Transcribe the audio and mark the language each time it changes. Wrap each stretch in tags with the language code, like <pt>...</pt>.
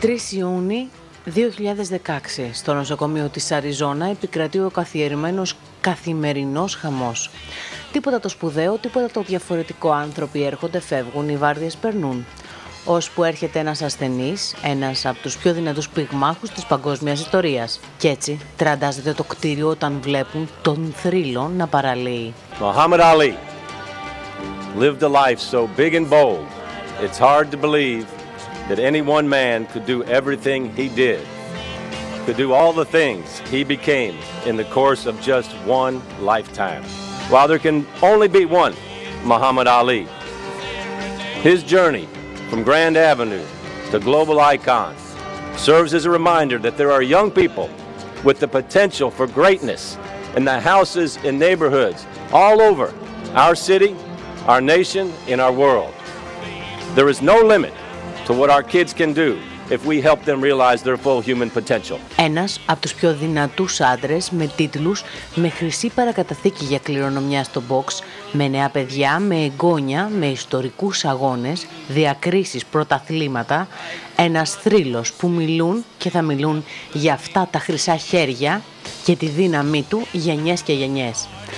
<el>Ιούνιου 2016, στο νοσοκομείο της Αριζόνα επικρατεί ο καθιερωμένος καθημερινός χαμός. Τίποτα το σπουδαίο, τίποτα το διαφορετικό. Άνθρωποι έρχονται, φεύγουν, οι βάρδιες περνούν. Ώσπου έρχεται ένας ασθενής, ένας από τους πιο δυνατούς πυγμάχους της παγκόσμιας ιστορίας. Και έτσι τραντάζεται το κτίριο όταν βλέπουν τον θρύλο να παραλύει.</el> <en>Muhammad Ali lived a life so big and bold, it's hard to believe that any one man could do everything he did, could do all the things he became in the course of just one lifetime. While there can only be one Muhammad Ali, his journey from Grand Avenue to global icon serves as a reminder that there are young people with the potential for greatness in the houses and neighborhoods all over our city, our nation, and our world. There is no limit to what our kids can do if we help them realize their full human potential.</en> <el>Ένας από τους πιο δυνατούς άντρες με τίτλους, με χρυσή παρακαταθήκη για κληρονομιά στο box, με νέα παιδιά, με εγγόνια, με ιστορικούς αγώνες, διακρίσεις, πρωταθλήματα, ένας θρύλος που μιλούν και θα μιλούν για αυτά τα χρυσά χέρια και τη δύναμή του γενιές και γενιές.</el>